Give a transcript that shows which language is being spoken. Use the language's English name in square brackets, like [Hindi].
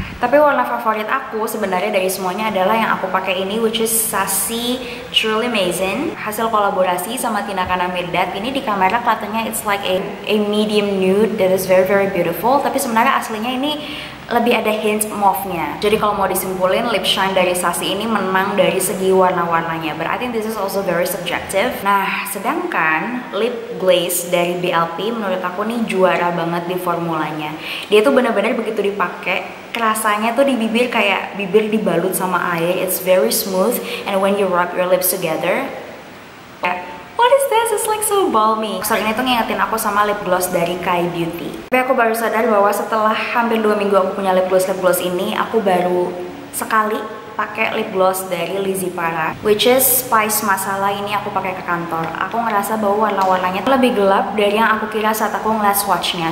[Indonesian] Tapi warna favorit aku sebenarnya dari semuanya adalah yang aku pakai ini, [English] which is [Indonesian] Sassy Truly Amazing. Hasil kolaborasi sama Tina Kana Mirdad, ini di kamera kelihatannya [English] it's like a medium nude that is very very beautiful. [Indonesian] Tapi sebenarnya aslinya ini lebih ada hint mauve-nya. Jadi kalau mau disimpulin, lip shine dari Sassy ini menang dari segi warna-warnanya. [English] But I think this is also very subjective. [Indonesian] Nah, sedangkan lip glaze dari BLP menurut aku nih juara banget di formulanya. Dia tuh benar-benar begitu dipakai, kerasanya tuh di bibir kayak bibir dibalut sama air. [English] It's very smooth and when you rub your lips together, what is this? It's like so balmy. [Indonesian] Soal ini tuh ngingetin aku sama lip gloss dari Kai Beauty. Tapi aku baru sadar bahwa setelah hampir 2 minggu aku punya lip gloss ini, aku baru sekali pakai lip gloss dari Lizzy Para, [English] which is [Indonesian] Spice Masala. Ini aku pakai ke kantor. Aku ngerasa bahwa warna-warnanya lebih gelap dari yang aku kira saat aku ngeliat swatchnya.